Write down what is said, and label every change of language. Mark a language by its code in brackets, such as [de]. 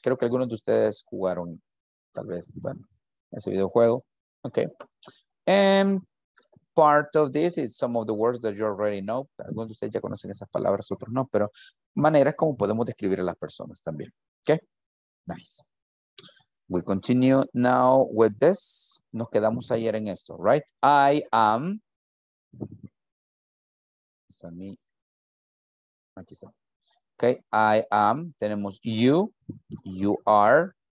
[es] Creo que algunos de ustedes jugaron, tal vez, bueno, ese videojuego. [en] Okay. And part of this is some of the words that you already know. [es] Algunos de ustedes ya conocen esas palabras, otros no, pero maneras como podemos describir a las personas también. [en] Okay, nice. We continue now with this. [es] Nos quedamos ayer en esto, [en] right? I am. [es] Está mi. Aquí está. [en] Okay, I am. [es] Tenemos [en] you. You are.